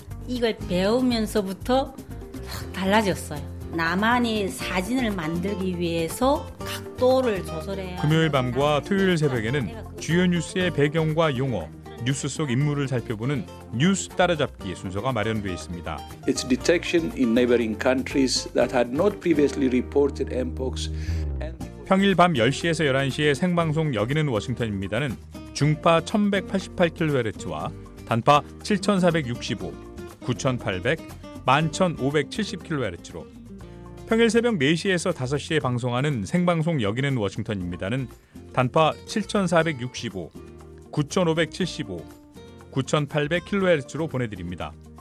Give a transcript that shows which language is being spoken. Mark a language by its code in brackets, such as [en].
[ko] 이걸 배우면서부터 확 달라졌어요. 나만의 사진을 만들기 위해서 각도를 조절해야 금요일 밤과 토요일 새벽에는 주요 뉴스의 배경과 용어 뉴스 속 인물을 살펴보는 뉴스 따라잡기 순서가 마련되어 있습니다. [en] It's detection in neighboring countries that had not previously reported mpox. [ko] 평일 밤 10시에서 11시에 생방송 여기는 워싱턴입니다는 중파 1188kHz와 단파 7465, 9800, 11570kHz로 평일 새벽 4시에서 5시에 방송하는 생방송 여기는 워싱턴입니다는 단파 7465, 9575, 9800kHz로 보내드립니다.